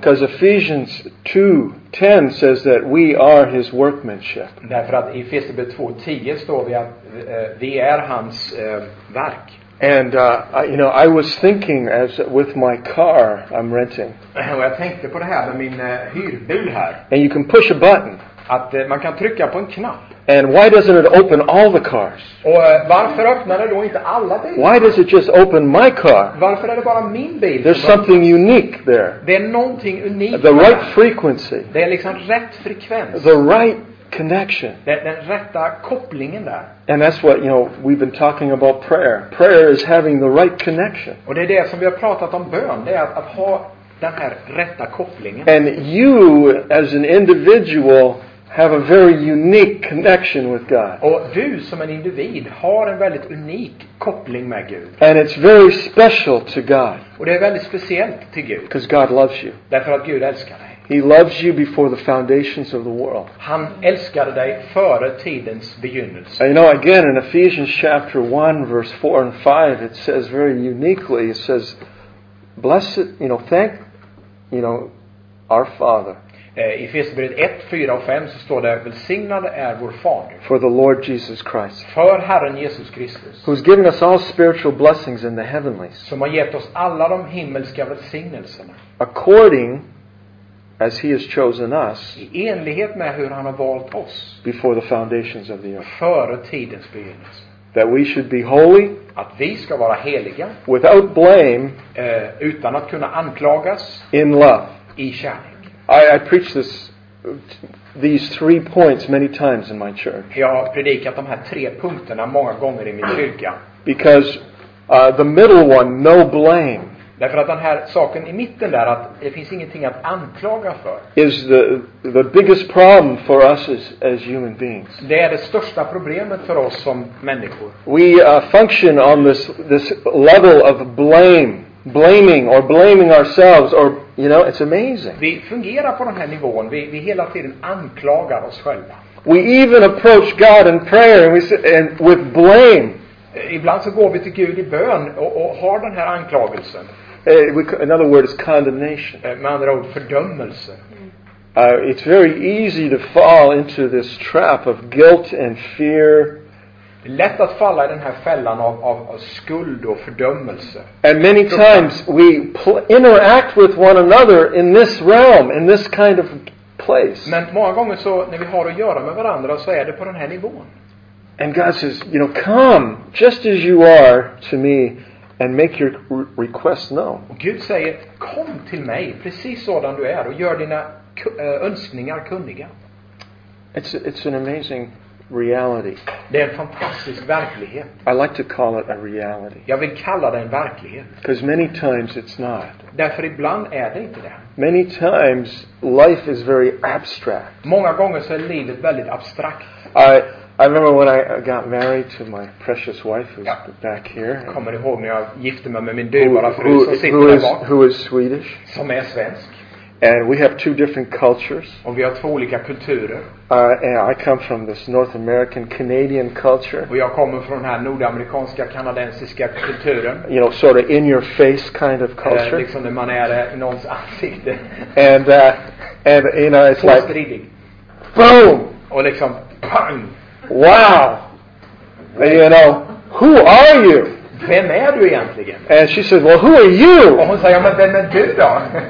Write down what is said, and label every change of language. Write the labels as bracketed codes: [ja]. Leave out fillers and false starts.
[en] Because Ephesians 2:10 says that we are his workmanship. [sv] Därför att i Efesierbrevet 2:10 står det att vi är hans verk. [en] And I was thinking as with my car I'm renting. [sv] Jag tänkte på det här med min hyrbil här. [en] And you can push a button. [sv] Att man kan trycka på en knapp. [en] And why doesn't it open all the cars? [sv] Och varför öppnar det då inte alla bilar? [en] Why does it just open my car? [sv] Varför är det bara min bil? [en] There's something unique there. [sv] Det är någonting unikt. [en] The right frequency. [sv] Det är liksom rätt frekvens. [en] The right connection. [sv] Den rätta kopplingen där. [en] And that's what, you know, we've been talking about prayer. Prayer is having the right connection. [sv] Och det är det som vi har pratat om bön, det är att ha den här rätta kopplingen. [en] And you as an individual have a very unique connection with God. [sv] Och du som en individ har en väldigt unik koppling med Gud. [en] And it's very special to God. [sv] Och det är väldigt speciellt till Gud. [en] Because God loves you. [sv] Därför att Gud älskar dig. [en] He loves you before the foundations of the world. [sv] Han älskade dig före tidens begynnelse. [en] And you know, again in Ephesians chapter 1 verse 4 and 5 it says very uniquely, it says blessed, you know, thank, you know, our Father. [sv] I Efesierbrevet 1, 4 och 5 så står det välsignad är vår fader. [en] For the Lord Jesus Christ. [sv] För Herren Jesus Kristus. [en] Who's given us all spiritual blessings in the heavenlies. [sv] Som har gett oss alla de himmelska välsignelserna. [en] According as he has chosen us. [sv] I enlighet med hur han har valt oss. [en] Before the foundations of the earth. [sv] Före tidens begynnelse. [en] That we should be holy. [sv] Att vi ska vara heliga. [en] Without blame. [sv] Utan att kunna anklagas. [en] In love. [sv] I kärlek. [en] I preach this these three points many times in my church. [sv] Jag har predikat de här tre punkterna många gånger i min kyrka. [en] Because the middle one, no blame. [sv] Därför att den här saken i mitten där att det finns ingenting att anklaga för. [en] Is the biggest problem for us as human beings. [sv] Det är det största problemet för oss som människor. [en] We function on this level of blame. Blaming or blaming ourselves or, you know, it's amazing. [sv] Vi fungerar på den här nivån. Vi hela tiden anklagar oss själva. [en] We even approach God in prayer and with blame. [sv] Ibland så går vi till Gud i bön och har den här anklagelsen. [en] In other words, condemnation. [sv] Med andra ord, fördömelse. [en] It's very easy to fall into this trap of guilt and fear. [sv] Det är lätt att falla i den här fällan av skuld och fördömelse. [en] And many times we interact with one another in this realm, in this kind of place. [sv] Men många gånger så när vi har att göra med varandra så är det på den här nivån. [en] And God says, you know, come just as you are to me and make your request known. [sv] Och Gud säger, kom till mig precis sådan du är och gör dina önskningar kunniga. [en] It's an amazing reality. [sv] Det är en fantastisk verklighet. [en] I like to call it a reality. [sv] Jag vill kalla det en verklighet. [en] Because many times it's not. [sv] Därför ibland är det inte det. [en] Many times life is very abstract. [sv] Många gånger så är livet väldigt abstrakt. [en] I remember when I got married to my precious wife who's back here. [sv] Jag kommer ihåg när jag gifte mig med min dyrbara fru som sitter där bak. [en] Who is Swedish? [sv] Som är svensk. [en] And we have two different cultures. [sv] Och vi har två olika kulturer. [en] And I come from this North American Canadian culture. [sv] Och jag kommer från den här nordamerikanska kanadensiska kulturen. [en] You know, sort of in your face kind of culture. [sv] Liksom när man är i någons ansikte. [en] And you know, it's like [sv] stridig. [en] Boom. [sv] Och liksom bang. [en] Wow. And, you know, who are you? [sv] Vem är du egentligen? [en] And she says, well, who are you? [sv] Och hon säger, ja, men vem är du då?